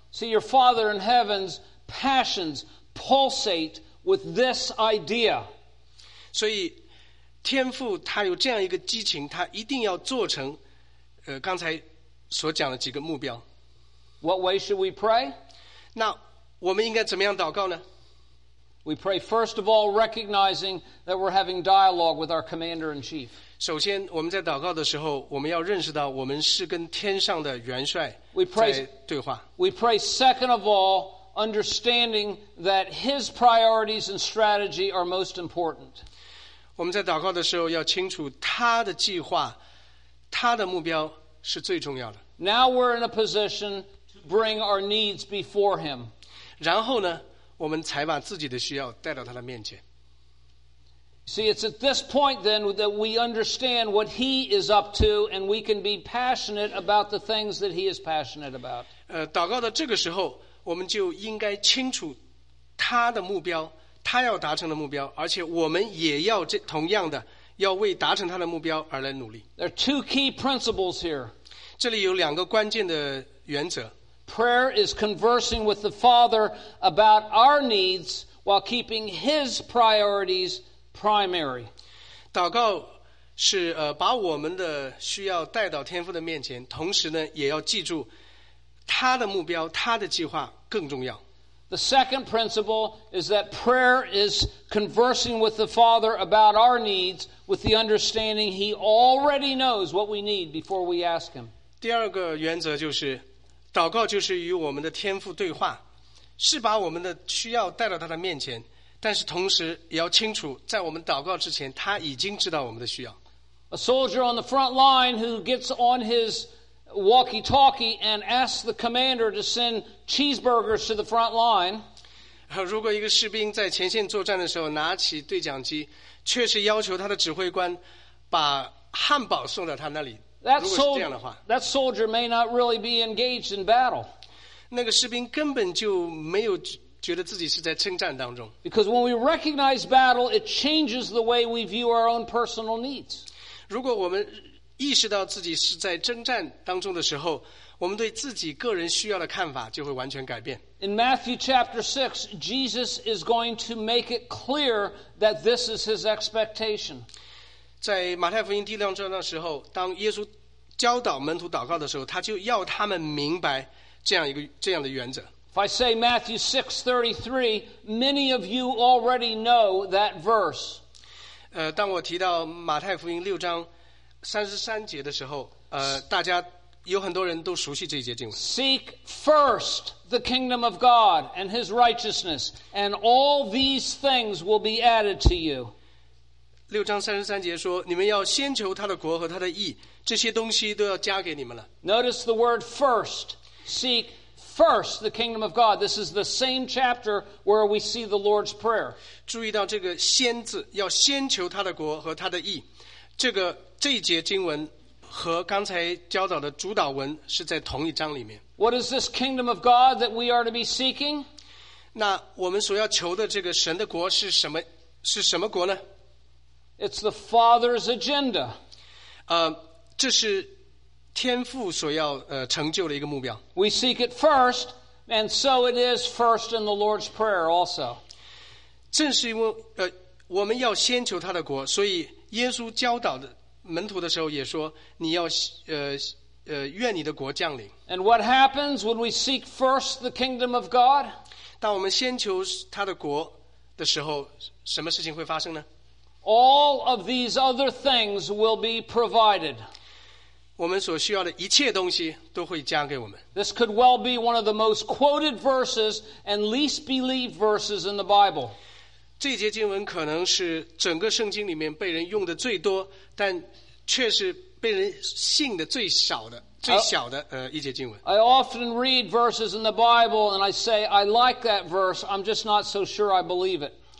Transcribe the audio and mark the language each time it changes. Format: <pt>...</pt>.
<en>See, your Father in heaven's passions pulsate with this idea.</en> <zh>所以天父他有这样一个激情，他一定要做成刚才所讲的几个目标。</zh> <en>What way should we pray?</en> <zh>那我们应该怎么样祷告呢？</zh> <en>We pray first of all recognizing that we're having dialogue with our commander in chief.</en> <zh>首先我们在祷告的时候，我们要认识到我们是跟天上的元帅在对话。</zh> <en>We pray second of all understanding that his priorities and strategy are most important.</en> <zh>我们在祷告的时候要清楚他的计划，他的目标是最重要的。</zh> <en>Now we're in a position to bring our needs before him.</en> <zh>然后呢，我们才把自己的需要带到他的面前。</zh> <en>See, it's at this point then that we understand what he is up to, and we can be passionate about the things that he is passionate about.</en> <zh>祷告的这个时候，我们就应该清楚他的目标，他要达成的目标，而且我们也要这同样的要为达成他的目标而来努力。</zh> <en>There are two key principles here.</en> <zh>这里有两个关键的原则。</zh> <en>Prayer is conversing with the Father about our needs while keeping His priorities primary.</en> <zh>祷告是把我们的需要带到天父的面前，同时呢也要记住他的目标，他的计划更重要。</zh> <en>The second principle is that prayer is conversing with the Father about our needs with the understanding He already knows what we need before we ask Him.</en> <zh>第二个原则就是祷告就是与我们的天父对话，是把我们的需要带到他的面前，但是同时也要清楚在我们祷告之前他已经知道我们的需要。</zh> <en>A soldier on the front line who gets on his walkie-talkie and ask the commander to send cheeseburgers to the front line,</en> <zh>如果一个士兵在前线作战的时候拿起对讲机，确实要求他的指挥官把汉堡送到他那里。</zh> <en>That soldier,</en> <zh>如果是这样的话，</zh> <en>that soldier may not really be engaged in battle.</en> <zh>那个士兵根本就没有觉得自己是在征战当中。</zh> <en>Because when we recognize battle, it changes the way we view our own personal needs.</en> <zh>如果我们意识到自己是在征战当中的时候，我们对自己个人需要的看法就会完全改变。</zh> <en>In Matthew chapter 6, Jesus is going to make it clear that this is his expectation.</en> <zh>在马太福音第六章的时候，当耶稣教导门徒祷告的时候，他就要他们明白这样一个这样的原则。</zh> <en>If I say Matthew 6:33, many of you already know that verse.</en> <zh>当我提到马太福音六章33节的时候，大家有很多人都熟悉这一节经文。</zh> <en>Seek first the kingdom of God and his righteousness, and all these things will be added to you.</en> <zh>六章三十三节说，你们要先求他的国和他的义，这些东西都要加给你们了。</zh> <en>Notice the word first. Seek first the kingdom of God. This is the same chapter where we see the Lord's Prayer.</en> <zh>注意到这个先字，要先求他的国和他的义，这个这一节经文和刚才教导的主导文是在同一章里面。</zh> <en>What is this kingdom of God that we are to be seeking?</en> <zh>那我们所要求的这个神的国是什么？是什么国呢？</zh> <en>It's the Father's agenda.</en> <zh>这是天父所要成就的一个目标。</zh> <en>We seek it first, and so it is first in the Lord's Prayer also.</en> <zh>正是因为我们要先求他的国，所以耶稣教导的门徒的时候也说，你要愿你的国降临。</zh> <en>And what happens when we seek first the kingdom of God?</en> <zh>当我们先求他的国的时候，什么事情会发生呢？</zh> <en>All of these other things will be provided.</en> <zh>我们所需要的一切东西都会加给我们。</zh> <en>This could well be one of the most quoted verses and least believed verses in the Bible.</en> <zh>这节经文可能是整个圣经里面被人用的最多，但却是被人信的最少的最小的一节经文。</zh> <en>I often read verses in the Bible and I say, I like that verse, I'm just not so sure I believe it.</en>